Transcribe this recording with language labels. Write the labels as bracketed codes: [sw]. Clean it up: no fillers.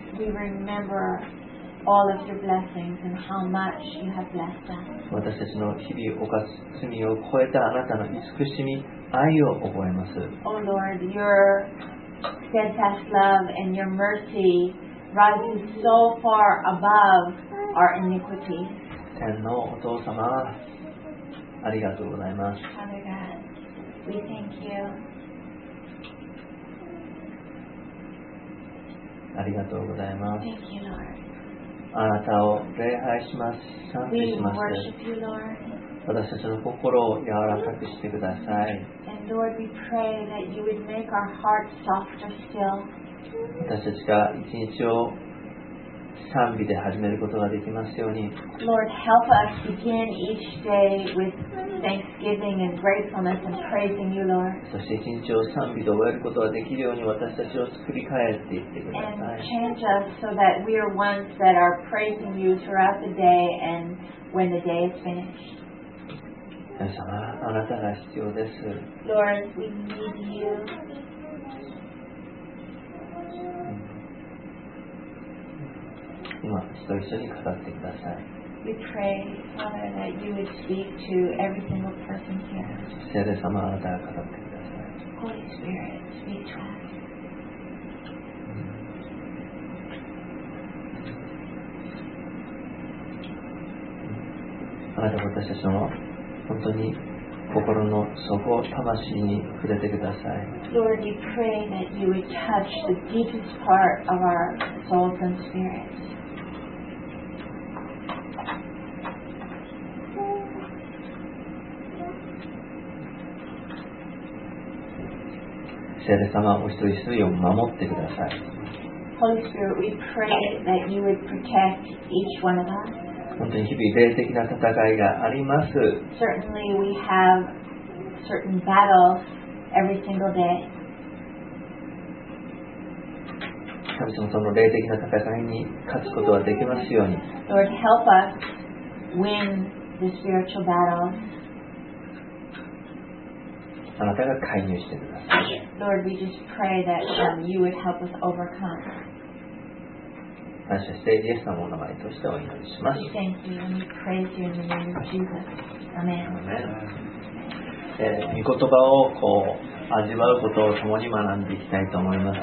[en] We remember all of your blessings and how much you have blessed us. [ja] 私たちの日々犯す罪を超えたあなたの慈しみ、愛を覚えます。 [en] Oh Lord, your steadfast love and your mercy rises so far above our iniquity. [ja] 天のお父様、ありがとうございます。 [en] Father God, we thank you. [ja] ありがとうございます。 [en] Thank you, Lord. [ja] あなたを礼拝します。賛美します。 [en] We worship you, Lord. [ja] 私たちの心を柔らかくしてください。 [en] And Lord, we pray that you would make our hearts softer still. [ja] 私たちが一日を賛美で始めることができますように。 [en] Lord, help us begin each day with thanksgiving and gratefulness and praising you, Lord. [ja] そして一日を賛美で終えることができるように私たちを作り変えていってください。 [en] And change us so that we are ones that are praising you throughout the day and when the day is finished. [ja] 神様、あなたが必要です。 [en] Lord, we need you. [ja] 今一人一緒に語ってください。 [en] We pray, Father, that you would speak to every single person here. [ja] 聖霊様、あなたが語ってください。 [en] Holy Spirit, speak to us. [ja] あなた、私たちの本当に心の底、魂に触れてください。 [en] Lord, we pray that you would touch the deepest part of our souls and spirits. [ja] 聖霊様、お一人一人を守ってください。 [en] Holy Spirit, we pray that you would protect each one of us. [ja] 本当に日々霊的な戦いがあります。 [en] Certainly we have certain battles every single day. [ja] 神様、その霊的な戦いに勝つことができますように。 [en] Lord, help us win the spiritual battles. [ja] あなたが介入してください。 [en] Lord, we just pray that you would help us overcome. [ja] 感謝してイエス様のお名前としてお祈りします。 [en] We thank you and we praise you in the name of Jesus. Amen. Amen. [ja] 御言葉をこう味わうことを共に学んでいきたいと思います。